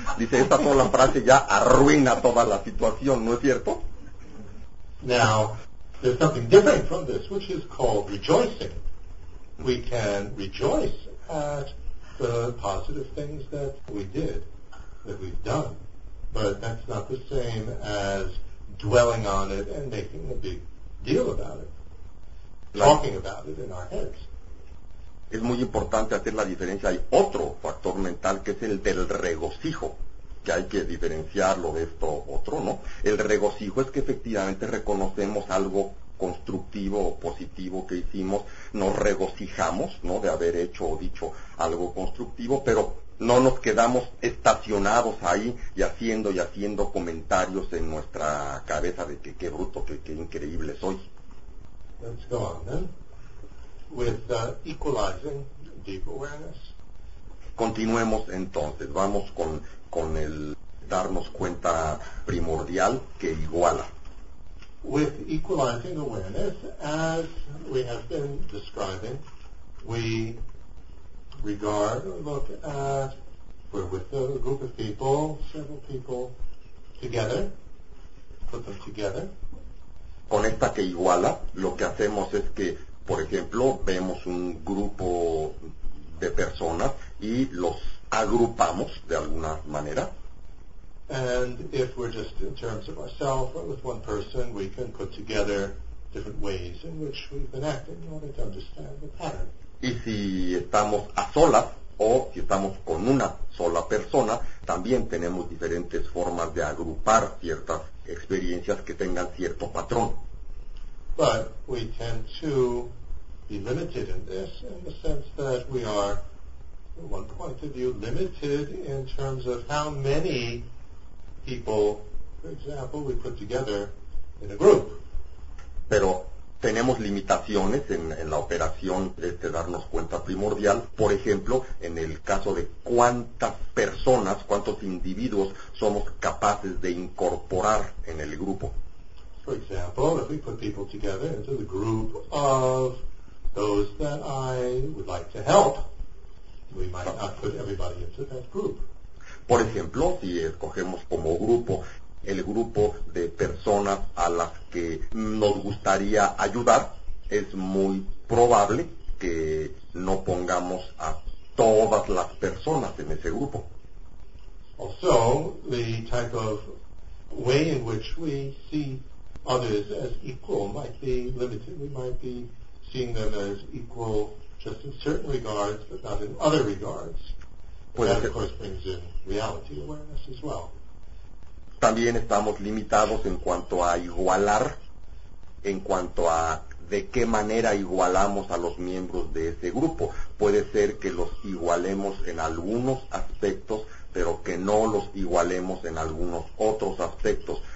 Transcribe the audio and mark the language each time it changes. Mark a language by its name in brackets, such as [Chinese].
[Spanish] Dice, esta sola frase ya arruina toda la situación, ¿no es cierto? [English] Now, there's something different from this, which is called rejoicing. We can rejoice at the positive things that we did, that we've done. But that's not the same as dwelling on it and making a big deal about it, talking about it in our heads. [Spanish] Es muy importante hacer la diferencia. Hay otro factor mental que es el del regocijo, que hay que diferenciarlo de esto otro, ¿no? El regocijo es que efectivamente reconocemos algo constructivo o positivo que hicimos, nos regocijamos, ¿no?, de haber hecho o dicho algo constructivo, pero no nos quedamos estacionados ahí y haciendo comentarios en nuestra cabeza de que qué bruto, que qué increíble soy. [English] Let's go on then. With equalizing deep awareness. [Spanish] Continuemos entonces, vamos con el darnos cuenta primordial que iguala. [English] With equalizing awareness, as we have been describing, we regard or look at, we're with a group of people, several people, together, put them together. [Spanish] Con esta que iguala, lo que hacemos es que, por ejemplo, vemos un grupo de personas y los agrupamos de alguna manera. [English] And if we're just in terms of ourselves or with one person, we can put together different ways in which we've been acting in order to understand the pattern. [Spanish] Y si estamos a solas o si estamos con una sola persona, también tenemos diferentes formas de agrupar ciertas experiencias que tengan cierto patrón. [English] But we tend to be limited in this in the sense that we are, from one point of view, limited in terms of how many people, for example, we put together in a group. [Spanish] Pero tenemos limitaciones en la operación de este darnos cuenta primordial. Por ejemplo, en el caso de cuántas personas, cuántos individuos somos capaces de incorporar en el grupo. [English] For example, if we put people together into the group of those that I would like to help, we might not put everybody into that group. [Spanish] Por ejemplo, si escogemos como grupo el grupo de personas a las que nos gustaría ayudar, es muy probable que no pongamos a todas las personas en ese grupo. [English] Also, the type of way in which we see others as equal might be limited. We might be seeing them as equal just in certain regards, but not in other regards. That, of course, brings in reality awareness as well. [Spanish] También estamos limitados en cuanto a igualar, en cuanto a de qué manera igualamos a los miembros de ese grupo. Puede ser que los igualemos en algunos aspectos, pero que no los igualemos en algunos otros aspectos.